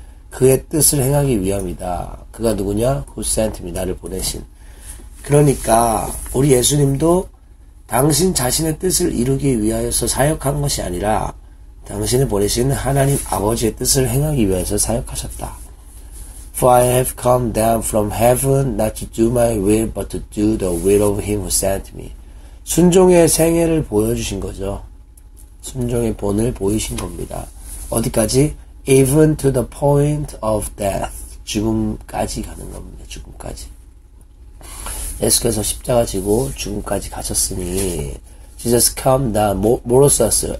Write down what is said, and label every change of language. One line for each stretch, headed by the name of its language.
Korean: 그의 뜻을 행하기 위함이다. 그가 누구냐?
English: Who sent me?
Korean: 나를 보내신. 그러니까, 우리 예수님도 당신 자신의 뜻을 이루기 위하여서 사역한 것이 아니라, 당신을 보내신 하나님 아버지의 뜻을 행하기 위해서 사역하셨다.
English: For I have come down from heaven not to do my will but to do the will of him who sent me.
Korean: 순종의 생애를 보여주신 거죠. 순종의 본을 보이신 겁니다. 어디까지?
English: Even to the point of death.
Korean: 죽음까지 가는 겁니다. 죽음까지. 예수께서 십자가 지고 죽음까지 가셨으니
English: Jesus come down,
Korean: 뭐로 썼어요?